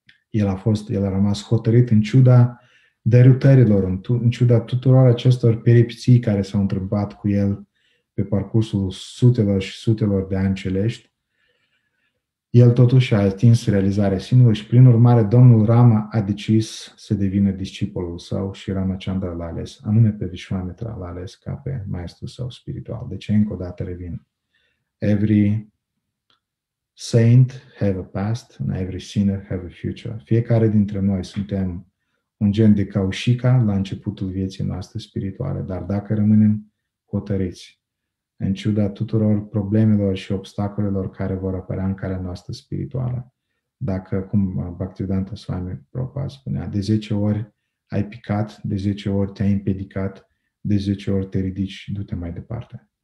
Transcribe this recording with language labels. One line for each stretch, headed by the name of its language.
Romanian: El a rămas hotărât în ciuda derutărilor, în ciuda tuturor acestor peripeții care s-au întâmplat cu el pe parcursul sutelor și sutelor de ani celești. El totuși a atins realizarea sinului și, prin urmare, domnul Rama a decis să devină discipolul său și Ramachandra l-a ales, anume pe Vishvamitra l-a ales ca pe maestru său spiritual. Deci, încă o dată revin.
English: Every saint have a past and every sinner have a future.
Romanian: Fiecare dintre noi suntem un gen de Kaushika la începutul vieții noastre spirituale, dar dacă rămânem hotărâți, în ciuda tuturor problemelor și obstacolelor care vor apărea în calea noastră spirituală, dacă, cum Bhaktivedanta Swami Prabhupada spunea, de 10 ori ai picat, de 10 ori te-ai împiedicat, de 10 ori te ridici, du-te mai departe.